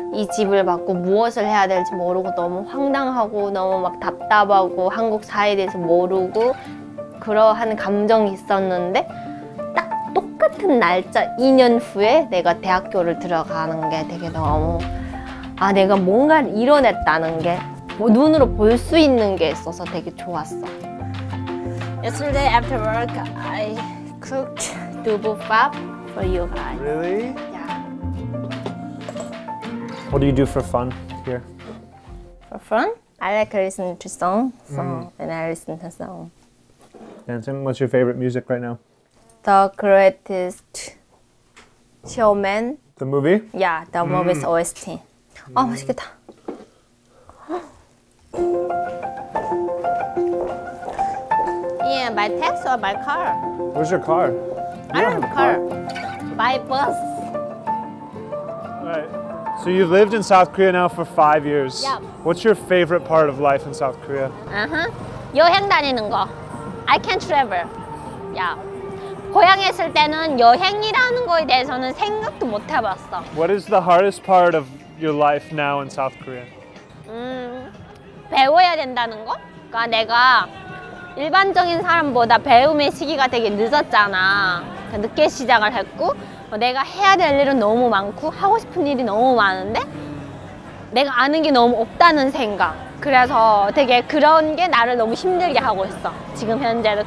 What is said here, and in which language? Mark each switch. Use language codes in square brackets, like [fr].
[ko] 이 집을 받고 무엇을 해야 될지 모르고 너무 황당하고 너무 막 답답하고 한국 사회에 대해서 모르고 그러한 감정이 있었는데 딱 똑같은 날짜 2년 후에 내가 대학교를 들어가는 게 되게 너무 아 내가 뭔가를 이뤄냈다는 게 뭐 눈으로 볼 수 있는 게 있어서 되게 좋았어. [en] Yesterday after work, I cooked bibimbap for you guys. Really? Yeah. What do you do for fun here? For fun? I like listening to songs, and I listen to songs. Anton, what's your favorite music right now? The Greatest Showman. The movie? Yeah, the movie's OST. Oh, [ko] 맛있겠다. [en] My taxi or my car? Where's your car? I don't have a car. My bus. Alright. So you've lived in South Korea now for 5 years. Yeah. What's your favorite part of life in South Korea? Uh-huh. [ko] 여행 다니는 거. [en] I can travel. Yeah. [ko] 고향에 있을 때는 여행이라는 거에 대해서는 생각도 못 해봤어. [en] What is the hardest part of your life now in South Korea? [ko] 배워야 된다는 거? 그러니까 내가 일반적인 사람보다 배움의 시기가 되게 늦었잖아. 늦게 시작을 했고 내가 해야 될 일은 너무 많고 하고 싶은 일이 너무 많은데 내가 아는 게 너무 없다는 생각. 그래서 되게 그런 게 나를 너무 힘들게 하고 있어 지금 현재도.